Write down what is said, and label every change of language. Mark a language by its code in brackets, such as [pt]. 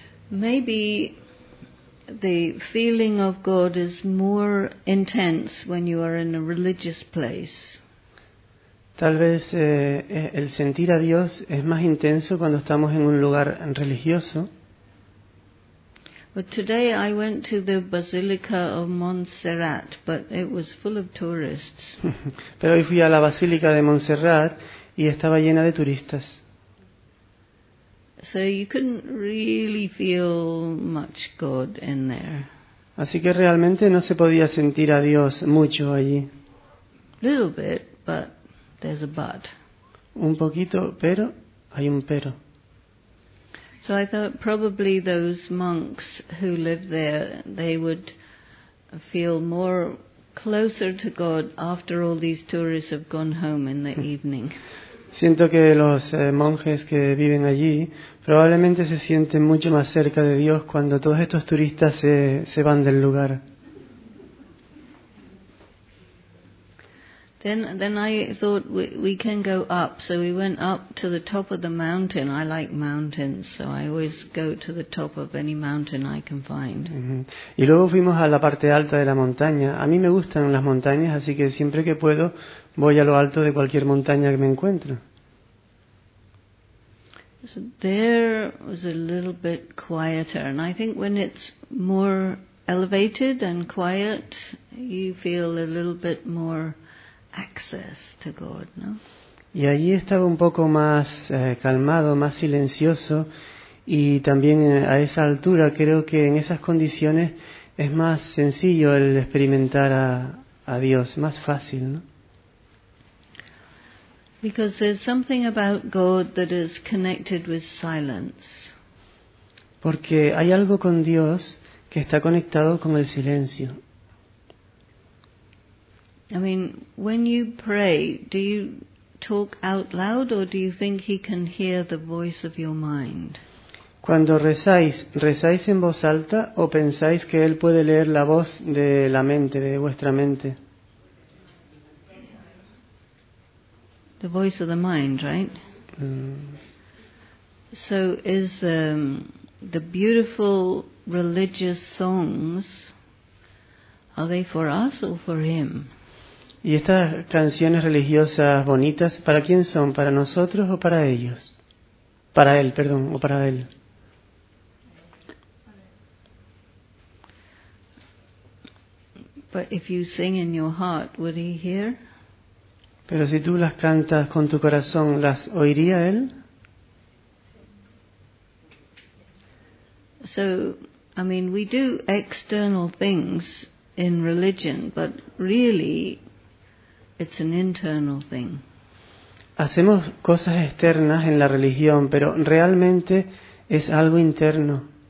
[en] Maybe the feeling of God is more intense when you are in a religious place. [es] Tal vez el sentir a Dios es más intenso cuando estamos en un lugar religioso. [en] But today I went to the Basilica of Montserrat, but it was full of tourists. [es] Pero hoy fui a la Basílica de Montserrat y estaba llena de turistas. [en] So you couldn't really feel much God in there. [es] Así que realmente no se podía sentir a Dios mucho allí. [en] Little bit, but there's a but. [es] Un poquito, pero hay un pero. [en] So I thought probably those monks who live there, they would feel more closer to God after all these tourists have gone home in the evening. [es] Siento que los monjes que viven allí probablemente se sienten mucho más cerca de Dios cuando todos estos turistas se van del lugar. [en] Then I thought we can go up, so we went up to the top of the mountain. I like mountains, so I always go to the top of any mountain I can find. [es] Y luego fuimos a la parte alta de la montaña. A mí me gustan las montañas, así que siempre que puedo voy a lo alto de cualquier montaña que me encuentre. [en] So there was a little bit quieter, and I think when it's more elevated and quiet, you feel a little bit more access to God, no? [es] Y allí estaba un poco más calmado, más silencioso, y también a esa altura creo que en esas condiciones es más sencillo el experimentar a Dios, más fácil, ¿no? [en] Because there's something about God that is connected with silence. [es] Porque hay algo con Dios que está conectado con el silencio. [en] I mean, when you pray, do you talk out loud or do you think he can hear the voice of your mind? [es] Cuando rezáis, ¿rezáis en voz alta o pensáis que él puede leer la voz de la mente, de vuestra mente? [en] The voice of the mind, right? So is the beautiful religious songs, are they for us or for him? [es] ¿Y estas canciones religiosas bonitas, para quién son? ¿Para nosotros o para ellos? Para él, perdón, o para él. [en] But if you sing in your heart, would he hear? [es] Pero si tú las cantas con tu corazón, ¿las oiría él? [en] So, I mean, we do external things in religion, but really it's an internal thing. [es] Hacemos cosas externas en la religión, pero realmente es algo interno.